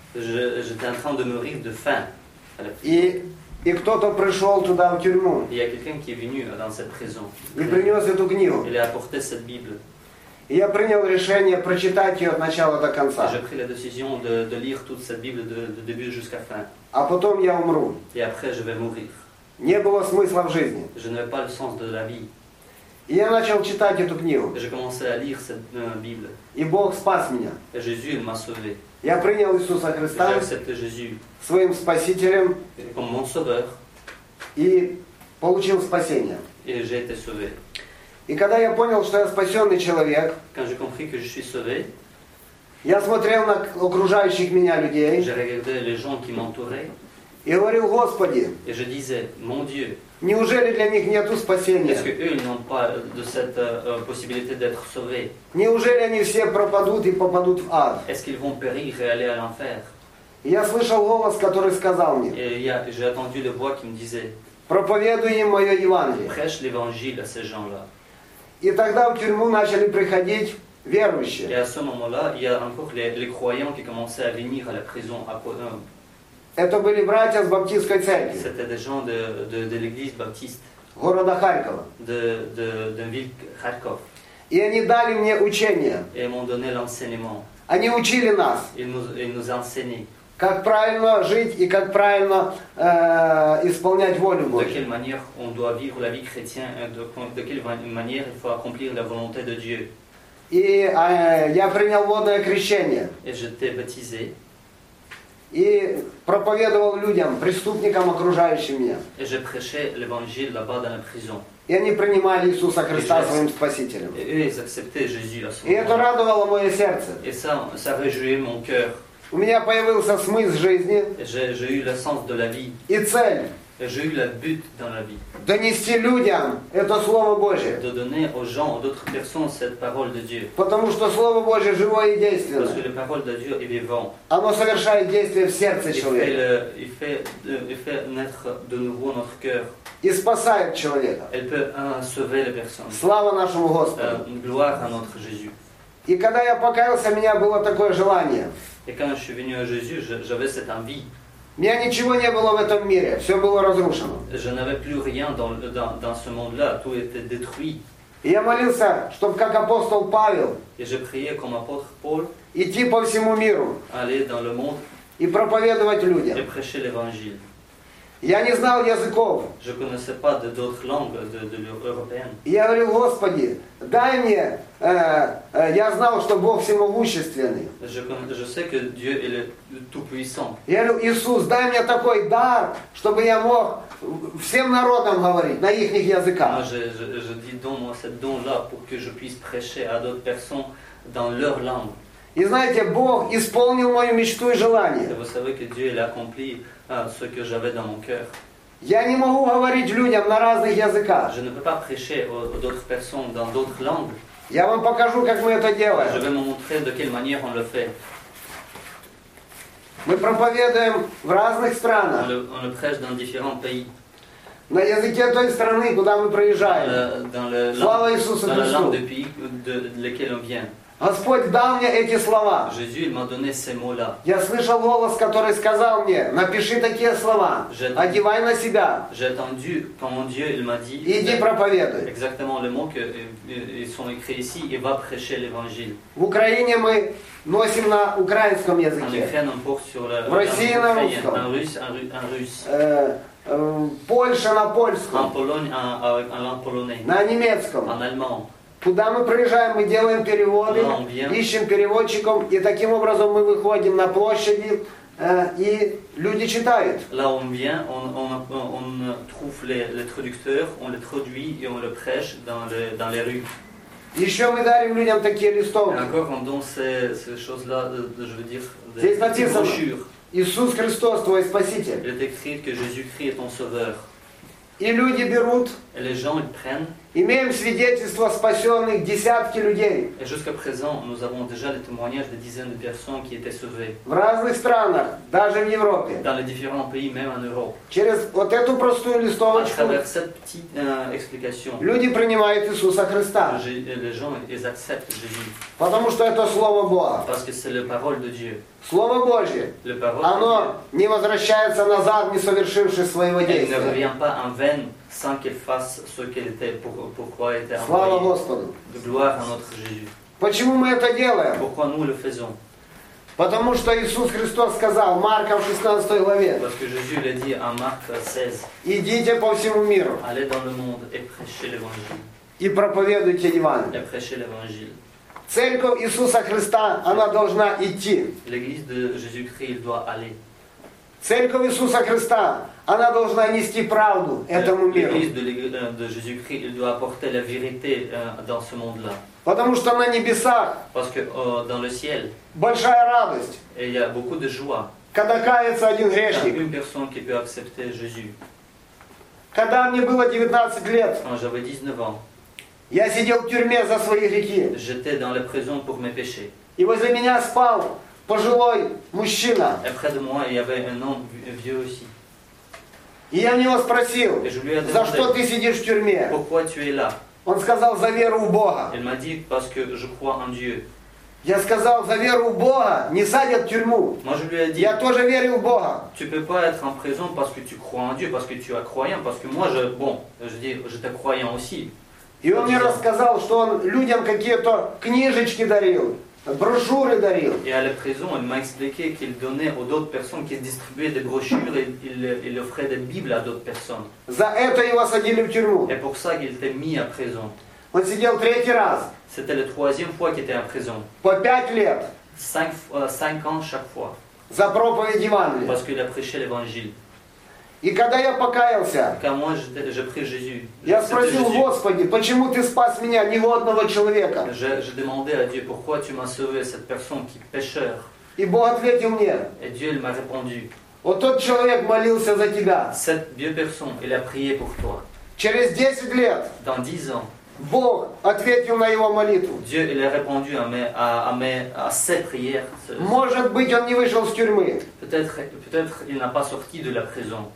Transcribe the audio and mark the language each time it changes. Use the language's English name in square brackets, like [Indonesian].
[French] J'étais en train de mourir de faim. [Russian] И кто-то пришел туда в тюрьму. [French] Il y a quelqu'un qui est venu dans cette prison. [Russian] И принес эту книгу. [French] Il a apporté cette Bible. [Russian] И я принял решение прочитать ее от начала до конца. [French] J'ai pris la décision de lire toute cette Bible de début jusqu'à fin. [Russian] А потом я умру. [French] Et après je vais mourir. [Russian] Не было смысла в жизни. [French] Je n'avais pas le sens de la vie. [Russian] И я начал читать эту книгу. [French] J'ai commencé à lire cette Bible. [Russian] И Бог спас меня. [French] Jésus m'a sauvé. [Russian] Я принял Иисуса Христа своим спасителем. [French] Comme mon sauveur. [Russian] И получил спасение. [French] Et j'ai été sauvé. [Russian] И когда я понял, что я спасенный человек, [French] quand j'ai compris que je suis sauvé, [Russian] я смотрел на окружающих меня людей. [French] J'ai regardé les gens qui m'entouraient. [Russian] И говорил, Господи, [French] et je disais, mon Dieu, [Russian] неужели для них нету спасения? [French] Est-ce que eux n'ont pas de cette possibilité d'être sauvés? [Russian] Неужели они все пропадут и попадут в ад? [French] Est-ce qu'ils vont périr et aller à l'enfer? [Russian] Я слышал голос, который сказал мне. [French] J'ai entendu la voix qui me disait. [Russian] Проповедуй им мое Евангелие. [French] Prêche l'évangile à ces gens-là. [Russian] И тогда в тюрьму начали приходить верующие. [French] Et à ce moment-là, il y a encore les croyants qui commençaient à venir à la prison à Potom. [Russian] Это были братья с баптистской церкви. [French] C'était des gens de l'église baptiste. [Russian] Города Харькова. [French] De ville Kharkov. [Russian] И они дали мне учение. [French] Et ils m'ont donné l'enseignement. [Russian] Они учили нас. [French] Ils nous enseignaient. [Russian] Как правильно жить и как правильно исполнять волю Божью. [French] De quelle manière on doit vivre la vie chrétienne, de quelle manière il faut accomplir la volonté de Dieu. [Russian] И я принял водное крещение. [French] Et j'étais baptisé. [Russian] И проповедовал людям, преступникам, окружающим меня. [French] Et j'ai prêché l'évangile là-bas dans la prison. [Russian] И они принимали Иисуса Христа своим спасителем. [French] Et ils acceptaient Jésus à ce moment. [Russian] И это радовало мое сердце. [French] Et ça réjouit mon cœur. [Russian] У меня появился смысл жизни. [French] J'ai eu le sens de la vie. [Russian] И цель. [French] J'ai eu le but dans la vie. [Russian] Донести людям это слово Божье. [French] De donner aux gens, aux autres personnes cette parole de Dieu. [Russian] Потому что слово Божье живое и действенное. [French] Parce que la parole de Dieu est vivante. [Russian] Оно совершает действие в сердце человека. [French] Il fait naître de nouveau notre cœur. [Russian] И спасает человека. [French] Elle peut sauver les personnes. [Russian] Слава нашему Господу. [French] Gloire à notre Jésus. [Russian] И когда я покаялся, у меня было такое желание. [French] Et quand je suis venu à Jésus, j'avais cette envie. [Russian] У меня ничего не было в этом мире, все было разрушено. [French] Je n'avais plus rien dans ce monde-là, tout était détruit. [Russian] И я молился, чтобы как апостол Павел. [French] Et je priais comme apôtre Paul. [Russian] Идти по всему миру. [French] Aller dans le monde. [Russian] И проповедовать людям. [French] Et prêcher l'évangile. [Russian] Я не знал языков. [French] Je connaissais pas d'autres langues de l'européenne. [Russian] Я говорил, Господи, дай мне. Я знал, что Бог всемогущественный. [French] Je sais que Dieu est le tout puissant. [Russian] Я говорю, Иисус, дай мне такой дар, чтобы я мог всем народам говорить на их языках. [French] Je dis donne-moi cette don là pour que je puisse prêcher à d'autres personnes dans leur langue. [Russian] И знаете, Бог исполнил мою мечту и желание. [French] Vous savez que Dieu a accompli ce que j'avais dans mon cœur. [Russian] Я не могу говорить людям на разных языках. [French] Je ne peux pas prêcher aux autres personnes dans d'autres langues. [Russian] Я вам покажу, как мы это делаем. [French] Je vais vous montrer de quelle manière on le fait. [Russian] Мы проповедуем в разных странах. [French] On le prêche dans différents pays. [Russian] На языке той страны, куда мы приезжаем. [French] Dans le [Russian] Слава Иисусу Христу. [French] Dans la langue du pays de laquelle on vient. [Russian] Господь дал мне эти слова. [French] Jésus, il m'a donné ces mots-là. [Russian] Я слышал голос, который сказал мне: напиши такие слова, одевай на себя. [French] J'ai entendu quand mon Dieu, il m'a dit, [Russian] иди проповедуй. [French] Exactement les mots qui sont écrits ici, et va prêcher l'évangile. [Russian] В Украине мы носим на украинском языке. [French] En Ukraine, on porte sur le, [Russian] в России на русском. [French] En russe, en russe. [Russian] Польша на польском. [French] En Pologne, en polonais. [Russian] На немецком. [French] En allemand. [Russian] Куда мы приезжаем, мы делаем переводы, ищем переводчиков, и таким образом мы выходим на площади, и люди читают. [French] Là on vient, on trouve les traducteurs, on les traduit et on les prêche dans les rues. [Russian] Еще мы дарим людям такие листовки. [French] Encore on donne ces choses-là, je veux dire, des brochures. [Russian] Иисус Христос, твой Спаситель. [French] Il est écrit que Jésus-Christ est ton Sauveur. [Russian] И люди берут. [French] Et les gens, ils prennent. [Russian] Имеем свидетельство спасенных десятки людей. [French] Et jusqu'à présent, nous avons déjà les témoignages de dizaines de personnes qui étaient sauvées. [Russian] В разных странах, даже в Европе. [French] Dans les différents pays, même en Europe. [Russian] Через вот эту простую листовочку. [French] À travers cette petite explication. [Russian] Люди принимают Иисуса Христа. [French] Les gens, ils acceptent Jésus. [Russian] Потому что это слово Бога. [French] Parce que c'est la parole de Dieu. [Russian] Слово Божье. [French] Le parole. [Russian] Оно не возвращается назад, не совершивши своего действия. [French] Elle ne revient pas en vain. Sans qu'elle fasse ce qu'elle était, pourquoi elle était envoyée. [Russian] Слава Господу. [French] De gloire à notre Jésus. [Russian] Почему мы это делаем? [French] Pourquoi nous le faisons? [Russian] Потому что Иисус Христос сказал, Марка в 16 главе. [French] Parce que Jésus l'a dit en Marc 16. [Russian] Идите по всему миру. [French] Allez dans le monde et prêchez l'Évangile. [Russian] И проповедуйте Евангелие. [French] Et prêchez l'Évangile. [Russian] Церковь Иисуса Христа, она должна идти. [French] L'église de Jésus-Christ, il doit aller. [Russian] Церковь Иисуса Христа, она должна нести правду этому миру. [French] L'église de Jésus-Christ, il doit apporter la vérité dans ce monde-là. [Russian] Потому что на небесах. [French] Parce que dans le ciel. [Russian] Большая радость. [French] Et il y a beaucoup de joie. [Russian] Когда кается один грешник. [French] Une personne qui peut accepter Jésus. [Russian] Когда мне было 19 лет. [French] Quand j'avais 19 ans. [Russian] Я сидел в тюрьме за свои грехи. [French] J'étais dans la prison pour mes péchés. [Russian] И возле меня спал пожилой мужчина. [French] Et près de moi, il y avait un homme vieux aussi. [Russian] И я у него спросил, [French] demandé, [Russian] за что ты сидишь в тюрьме? [French] Pourquoi tu es là? [Russian] Он сказал, за веру в Бога. [French] Il m'a dit, parce que je crois en Dieu. [Russian] Я сказал, за веру в Бога не садят в тюрьму. [French] Moi, je lui ai dit, [Russian] я тоже верю в Бога. [French] Tu peux pas être en prison parce que tu crois en Dieu, parce que tu es croyant, parce que moi, j'étais croyant aussi. [Russian] И он мне рассказал, что он людям какие-то книжечки дарил. Брошюры дарил. [French] Et à la prison, il m'a expliqué qu'il donnait aux autres personnes, qu'il distribuait des brochures et il offrait des Bibles à d'autres personnes. [Russian] За это его садили в тюрьму. [French] Et pour ça, il était mis à prison. [Russian] Он сидел третий раз. [French] C'était la troisième fois qu'il était en prison. [Russian] По 5 лет. [French] 5 ans chaque fois. [Russian] За проповедь Евангелия. [French] Parce qu'il a prêché l'Évangile. [Russian] И когда я покаялся, [French] Jésus, [Russian] я спросил, Jésus. Господи, почему ты спас меня, негодного человека? [French] Je demandé à Dieu, pourquoi tu m'as sauvé cette personne qui est pécheur? [Russian] И Бог ответил мне. [French] Et Dieu, il m'a répondu. [Russian] Вот тот человек молился за тебя. [French] Cette vieille personne, il a prié pour toi. [Russian] Через 10 лет. [French] Dans 10 ans. [Russian] Бог ответил на его молитву. [French] Dieu, il a répondu à ses prières. [Russian] Может быть, он не вышел из тюрьмы. [French] Peut-être il n'a pas sorti de la prison.